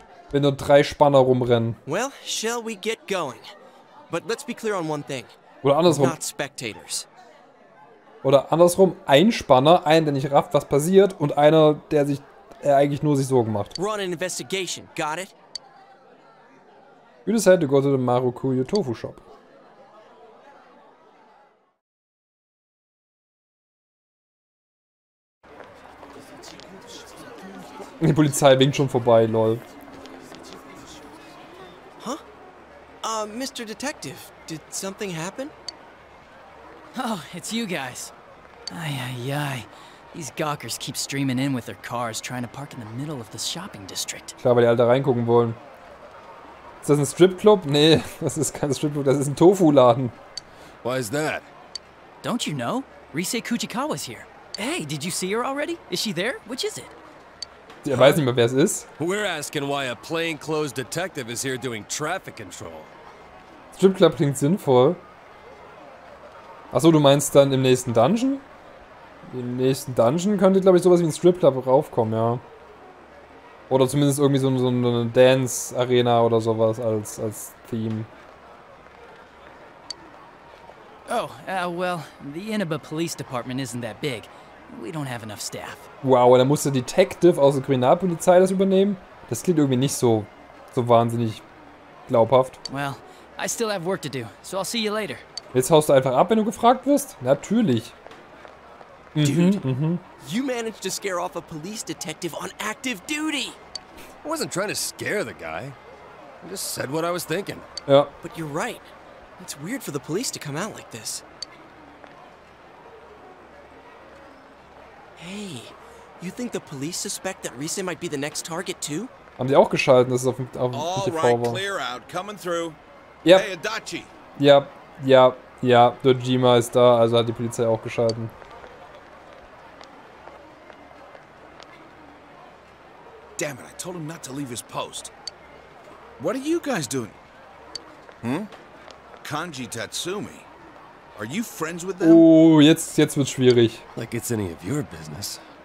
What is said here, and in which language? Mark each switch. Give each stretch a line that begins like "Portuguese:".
German: Wenn nur drei Spanner rumrennen.
English: Well, shall we get going? But let's be clear on one thing.
German: Oder andersrum.
English: Not spectators.
German: Oder andersrum, ein Spanner, einen, der nicht rafft, was passiert, und einer, der sich eigentlich nur sich Sorgen macht.
English: Run an investigation, got it? You decide to go to the Marukuyo Tofu Shop.
German: Die Polizei winkt schon vorbei, lol.
English: Huh? Mr. Detective, did something happen? Oh, it's you guys. Ay. These gawkers keep streaming in with their cars, trying to park in the middle of the shopping district.
German: Klar, weil die alle da reingucken wollen. Ist das ein Stripclub? Nee, das ist kein Stripclub, das ist ein Tofu-Laden.
English: Why is that? Don't you know? Risei Kuchikawa's here. Hey, did you see her already? Is she there? Which is it?
German: Er weiß nicht mehr, wer es ist.
English: We're asking why a plainclothes detective is here doing traffic control.
German: Stripclub klingt sinnvoll. Achso, du meinst dann im nächsten Dungeon? Im nächsten Dungeon könnte, glaube ich, sowas wie ein Stripclub raufkommen, ja. Oder zumindest irgendwie so eine Dance-Arena oder sowas als Theme.
English: Oh, well, the Inaba Police Department isn't that big. We don't have enough staff.
German: Wow, da muss der Detective aus der Kriminalpolizei das übernehmen? Das klingt irgendwie nicht so wahnsinnig glaubhaft.
English: Well, I still have work to do, so I'll see you later.
German: Jetzt haust du einfach ab, wenn du gefragt wirst? Natürlich.
English: Dude, you managed to scare off a police detective on active duty. I wasn't trying to scare the guy. I just said what I was thinking.
German: Ja.
English: But you're right. It's weird for the police to come out like this. Hey, you think the police suspect that Risa might be the next target too?
German: Haben die auch geschalten, dass es auf dem TV war.
English: All right, clear out, coming through. Yep. Hey, Adachi.
German: Ja, Dojima ist da, also hat die Polizei auch geschalten.
English: Damn it, I told him not to leave his post. What are you guys doing? Hm? Kanji Tatsumi. Are you friends with them?
German: Oh, jetzt wird's schwierig.
English: Like it's any of your business.